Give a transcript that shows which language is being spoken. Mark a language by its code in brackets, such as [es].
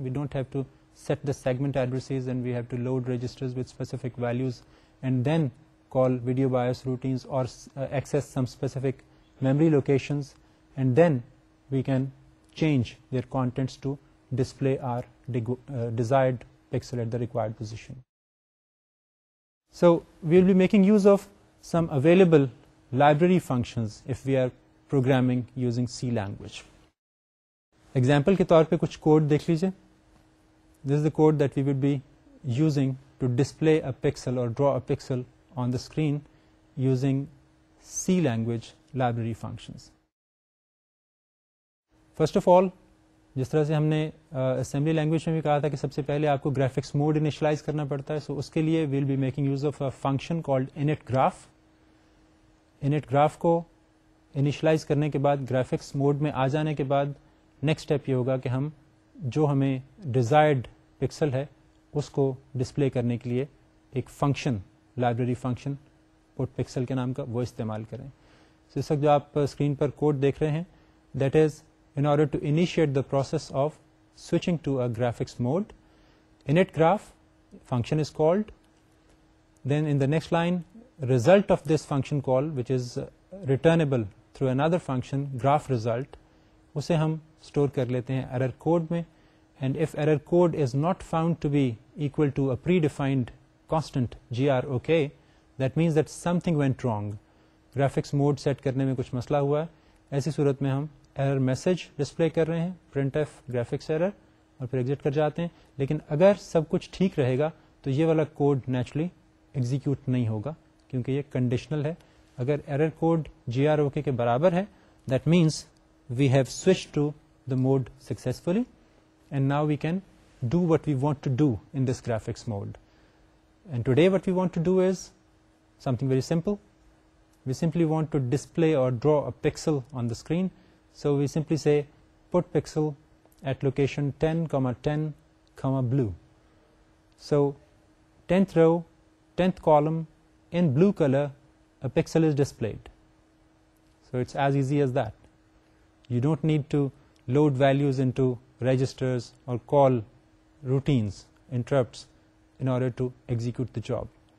[en] We don't have to set the segment addresses and we have to load registers with specific values and then call video BIOS routines or access some specific memory locations and then we can change their contents to display our desired pixel at the required position. So we'll be making use of some available library functions if we are programming using C language. [ur] Example ke taur pe kuch code dekh lijiye. [en] This is the code that we would be using to display a pixel or draw a pixel on the screen using C language library functions. First of all, [ur] جس طرح سے ہم نے assembly language میں بھی کہا تھا کہ سب سے پہلے آپ کو گرافکس موڈ انیشلائز کرنا پڑتا ہے. سو اس کے لیے [en] We'll be making use of a function called init graph. [ur] Init graph کو انیشلائز کرنے کے بعد گرافکس موڈ میں آ جانے کے بعد نیکسٹ اسٹیپ یہ ہوگا کہ ہم جو ہمیں ڈیزائرڈ پکسل ہے اس کو ڈسپلے کرنے کے لیے ایک function library function put pixel کے نام کا وہ استعمال کریں. سو اس وقت جو آپ اسکرین پر کوڈ دیکھ رہے ہیں [en] That is in order to initiate the process of switching to a graphics mode. Init graph function is called. Then in the next line, result of this function call, which is returnable through another function, graph result, [ur] usse hum store kar lete hain [en] error code mein. And if error code is not found to be equal to a predefined constant GROK, that means that something went wrong. [ur] Graphics mode set karne mein kuch masla hua hai. Aisi surat mein hum error message display کر رہے ہیں print F graphics error اور پھر exit کر جاتے ہیں. لیکن اگر سب کچھ ٹھیک رہے گا تو یہ والا کوڈ نیچرلی ایگزیکیوٹ نہیں ہوگا کیونکہ یہ کنڈیشنل ہے. اگر ایرر کوڈ جی آر او کے برابر ہے [en] That means we have switch to the mode successfully and now we can do what we want to do in this graphics mode. And today what we want to do is something very simple. We simply want to display or draw a pixel on the screen. So we simply say put pixel at location 10, 10, blue. So 10th row, 10th column in blue color, a pixel is displayed. So it's as easy as that. You don't need to load values into registers or call routines, interrupts, in order to execute the job.